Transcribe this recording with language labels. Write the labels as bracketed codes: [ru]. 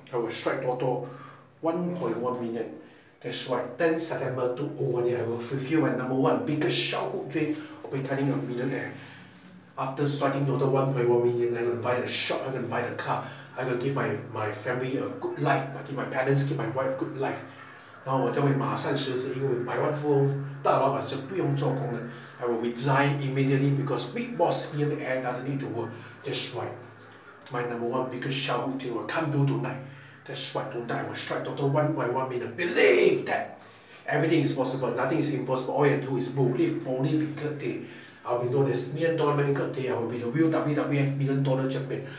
[zh] 还有帅多多 ，1.1 million。 [en] That's right. Then September 2001, I will fulfill my number one biggest childhood dream of becoming a millionaire. After sweating over 1.1 million, I'm going to buy a shop, I'm going to buy a car, I'm going to give my family a good life, give my parents, give my wife a good life. [zh] 然后我将会马上辞职，因为百万富翁大老板是不用做工的。 [en] I will resign immediately because big boss millionaire doesn't need to work. That's right. My number one biggest childhood dream will come true tonight. That's right, don't die. I will strike Dr. 1.1 million. Believe that everything is possible. Nothing is impossible. All you have to do is believe, believe in good day. I'll be known as Million Dollar Man in good day. I will be the real WWF Million Dollar Champion.